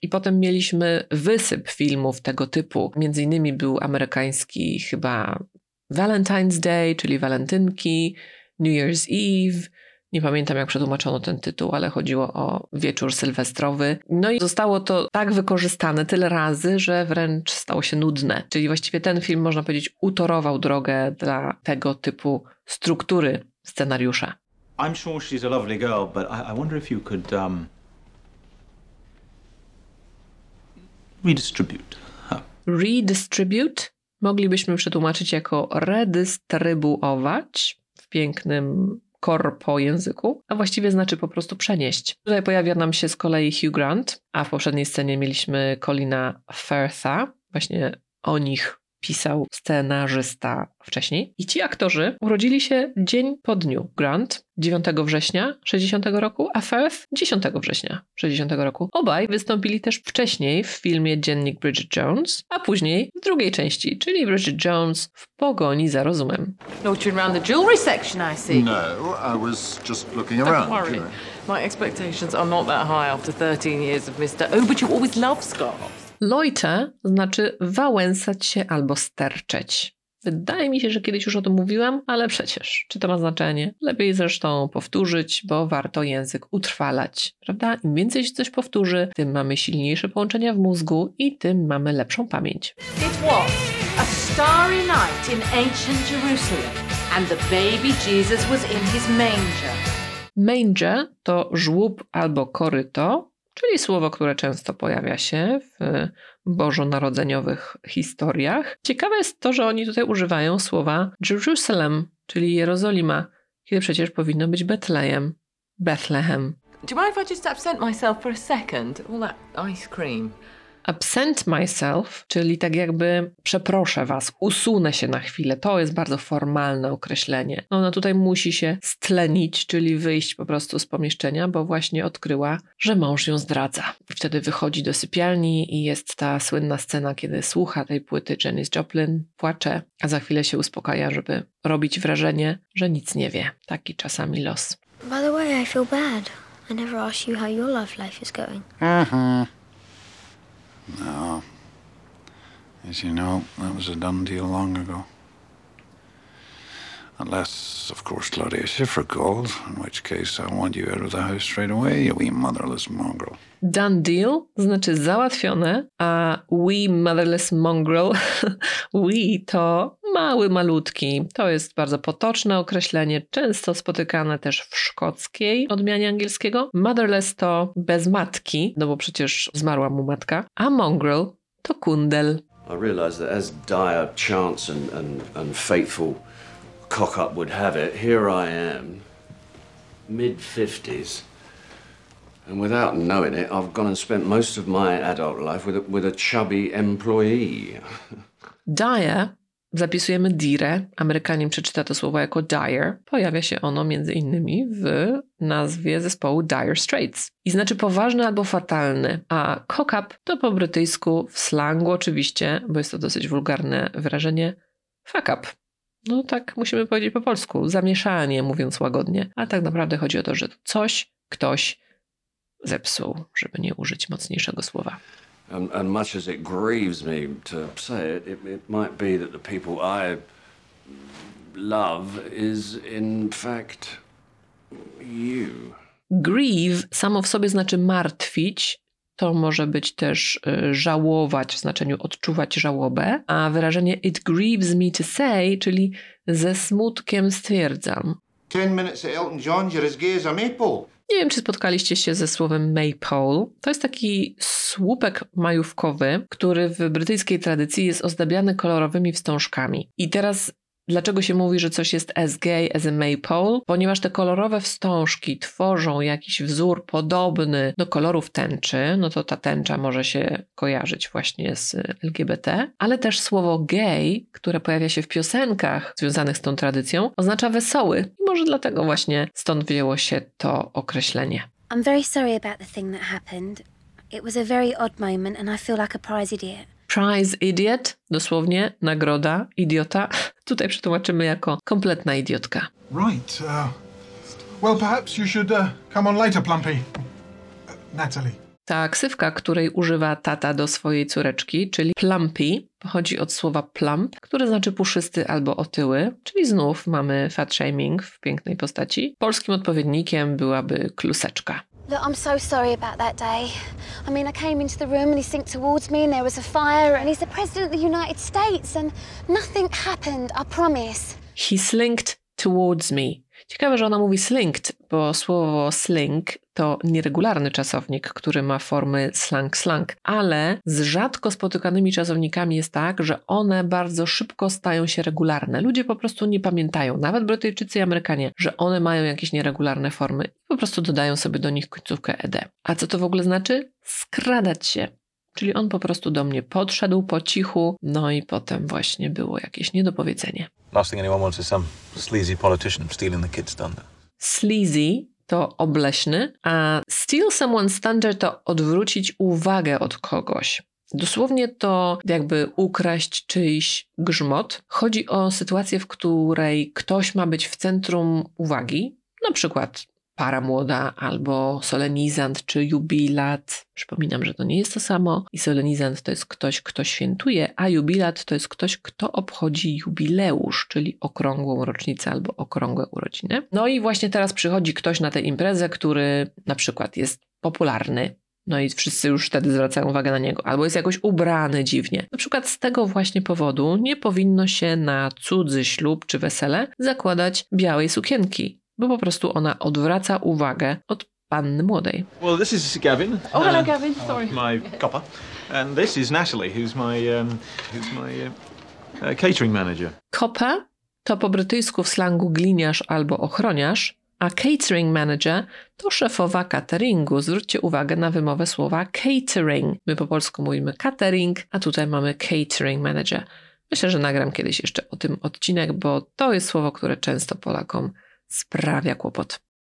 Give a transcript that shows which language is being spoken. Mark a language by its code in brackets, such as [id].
[pl] I potem mieliśmy wysyp filmów tego typu. Między innymi był amerykański chyba Valentine's Day, czyli walentynki, New Year's Eve. Nie pamiętam, jak przetłumaczono ten tytuł, ale chodziło o wieczór sylwestrowy. No i zostało to tak wykorzystane tyle razy, że wręcz stało się nudne. Czyli właściwie ten film, można powiedzieć, utorował drogę dla tego typu struktury scenariusza. [en] I'm sure she's a lovely girl, but I wonder if you could redistribute her. Redistribute? [pl] Moglibyśmy przetłumaczyć jako redystrybuować w pięknym corpo języku, a właściwie znaczy po prostu przenieść. Tutaj pojawia nam się z kolei Hugh Grant, a w poprzedniej scenie mieliśmy Colina Firtha, właśnie o nich pisał scenarzysta wcześniej. I ci aktorzy urodzili się dzień po dniu. Grant 9 września 60 roku, a Firth 10 września 60 roku. Obaj wystąpili też wcześniej w filmie Dziennik Bridget Jones, a później w drugiej części, czyli Bridget Jones w pogoni za rozumem. [en] Looking around the jewelry section, I see. No, I was just looking around. Don't worry. My expectations are not that high after 13 years of Mr. Oh, but you always love scarves. [pl] Loiter znaczy wałęsać się albo sterczeć. Wydaje mi się, że kiedyś już o tym mówiłam, ale przecież, czy to ma znaczenie? Lepiej zresztą powtórzyć, bo warto język utrwalać, prawda? Im więcej się coś powtórzy, tym mamy silniejsze połączenia w mózgu i tym mamy lepszą pamięć. [en] It was a starry night in ancient Jerusalem and the baby Jesus was in his manger. [pl] Manger to żłób albo koryto, czyli słowo, które często pojawia się w bożonarodzeniowych historiach. Ciekawe jest to, że oni tutaj używają słowa Jerusalem, czyli Jerozolima, kiedy przecież powinno być Betlejem, Bethlehem. [en] Do you mind if I just absent myself for a second? All that ice cream. [pl] Absent myself, czyli tak jakby przeproszę was, usunę się na chwilę. To jest bardzo formalne określenie. Ona tutaj musi się stlenić, czyli wyjść po prostu z pomieszczenia, bo właśnie odkryła, że mąż ją zdradza. Wtedy wychodzi do sypialni i jest ta słynna scena, kiedy słucha tej płyty Janis Joplin, płacze, a za chwilę się uspokaja, żeby robić wrażenie, że nic nie wie. Taki czasami los. [en] By the way, I feel bad. I never asked you how your love life is going. No. As you know, that was a done deal long ago. Unless, of course, Claudia Schiffer called, in which case I want you out of the house straight away, you wee motherless mongrel. Done deal [pl] znaczy załatwione, a [en] wee motherless mongrel, [pl] wee to mały, malutki. To jest bardzo potoczne określenie, często spotykane też w szkockiej odmianie angielskiego. Motherless to bez matki, no bo przecież zmarła mu matka, a mongrel to kundel. [en] I realize that as dire chance and fateful cock-up would have it, here I am, mid-50s. And without knowing it, I've gone and spent most of my adult life with a chubby employee. [pl] Dire, zapisujemy dire, Amerykanin przeczyta to słowo jako dire. Pojawia się ono między innymi w nazwie zespołu Dire Straits. I znaczy poważny albo fatalny. A [en] cock-up [pl] to po brytyjsku, w slangu oczywiście, bo jest to dosyć wulgarne wyrażenie, [en] fuck-up. [pl] No tak musimy powiedzieć po polsku, zamieszanie mówiąc łagodnie. Ale tak naprawdę chodzi o to, że coś, ktoś zepsuł, żeby nie użyć mocniejszego słowa. [en] And much as it grieves me to say it, it might be that the people I love is in fact you. [pl] Grieve samo w sobie znaczy martwić. To może być też żałować, w znaczeniu odczuwać żałobę. A wyrażenie [en] it grieves me to say, [pl] czyli ze smutkiem stwierdzam. [en] 10 minutes at Elton John, you're as gay as a maple. [pl] Nie wiem, czy spotkaliście się ze słowem maypole. To jest taki słupek majówkowy, który w brytyjskiej tradycji jest ozdabiany kolorowymi wstążkami. I teraz, dlaczego się mówi, że coś jest [en] as gay as a maypole? [pl] Ponieważ te kolorowe wstążki tworzą jakiś wzór podobny do kolorów tęczy, no to ta tęcza może się kojarzyć właśnie z LGBT, ale też słowo gay, które pojawia się w piosenkach związanych z tą tradycją, oznacza wesoły. I może dlatego właśnie stąd wzięło się to określenie. [en] I'm very sorry about the thing that happened. It was a very odd moment and I feel like a prize idiot. Prize idiot, [pl] dosłownie nagroda, idiota. Tutaj przetłumaczymy jako kompletna idiotka. [en] Right. Well, perhaps you should come on later, Plumpy. Natalie. [pl] Ta ksywka, której używa tata do swojej córeczki, czyli Plumpy, pochodzi od słowa plump, które znaczy puszysty albo otyły, czyli znów mamy fat shaming w pięknej postaci. Polskim odpowiednikiem byłaby kluseczka. [en] Look, I'm so sorry about that day. I mean, I came into the room and he sinked towards me and there was a fire and he's the president of the United States and nothing happened, I promise. He slinked towards me. [pl] Ciekawe, że ona mówi slinked, bo bo słowo slink to nieregularny czasownik, który ma formy slang-slang, ale z rzadko spotykanymi czasownikami jest tak, że one bardzo szybko stają się regularne. Ludzie po prostu nie pamiętają, nawet Brytyjczycy i Amerykanie, że one mają jakieś nieregularne formy i po prostu dodają sobie do nich końcówkę ed. A co to w ogóle znaczy? Skradać się. Czyli on po prostu do mnie podszedł po cichu, no i potem właśnie było jakieś niedopowiedzenie. [en] Last thing anyone wants is some sleazy politician stealing the kid's thunder. [pl] Sleazy to obleśny, a [en] steal someone's thunder [pl] to odwrócić uwagę od kogoś. Dosłownie to jakby ukraść czyjś grzmot. Chodzi o sytuację, w której ktoś ma być w centrum uwagi, na przykład para młoda albo solenizant czy jubilat. Przypominam, że to nie jest to samo. I solenizant to jest ktoś, kto świętuje, a jubilat to jest ktoś, kto obchodzi jubileusz, czyli okrągłą rocznicę albo okrągłe urodziny. No i właśnie teraz przychodzi ktoś na tę imprezę, który na przykład jest popularny. No i wszyscy już wtedy zwracają uwagę na niego. Albo jest jakoś ubrany dziwnie. Na przykład z tego właśnie powodu nie powinno się na cudzy ślub czy wesele zakładać białej sukienki. Bo po prostu ona odwraca uwagę od panny młodej. [en] Well, this is Gavin. Oh, hello, Gavin. Sorry. My copper. And this is Natalie, who's my catering manager. [pl] Copper to po brytyjsku w slangu gliniarz albo ochroniarz, a [en] catering manager [pl] to szefowa cateringu. Zwróćcie uwagę na wymowę słowa catering. My po polsku mówimy catering, a tutaj mamy [en] catering manager. [pl] Myślę, że nagram kiedyś jeszcze o tym odcinek, bo to jest słowo, które często Polakom sprawia kłopot.